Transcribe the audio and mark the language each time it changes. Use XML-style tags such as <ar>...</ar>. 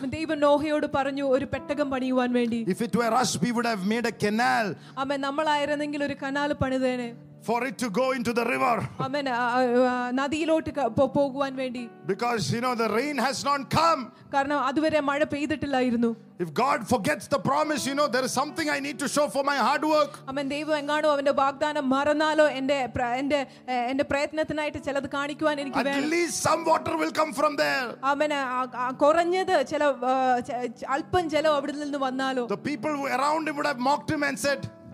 <ml>ദൈവം നോഹയോട് പറഞ്ഞു ഒരു പെട്ടകം പണിയുവാൻ വേണ്ടി.</ml> <en>If it were us, we would have made a canal.</en> <ml>ആമേൻ. നമ്മൾ ആയിരുന്നെങ്കിൽ ഒരു canal പണിതേനെ.</ml> <en>For it to go into the river.</en> <ml>Amen. നദിയിലോട്ട് പോകുവാൻ വേണ്ടി.</ml> <en>Because you know the rain has not come.</en> <ml>കാരണം അതുവരെ മഴ പെയ്തിട്ടില്ലായിരുന്നു.</ml> <en>If God forgets the promise, you know there is something I need to show for my hard work. Amen.</en> <ml>ദൈവം എങ്ങാനോ അവന്റെ വാഗ്ദാനം മറന്നാലോ എൻ്റെ എൻ്റെ എൻ്റെ പ്രയത്നത്തിനായിട്ട് ചിലത് കാണിക്കുവാൻ എനിക്ക് വേണം.</ml> <en>At least some water will come from there. Amen.</en> <ml>കുറഞ്ഞത് ചില അല്പം ജലം അവിടെ നിന്ന് വന്നാലോ.</ml> <en>The people who around him would have mocked him and said,</en>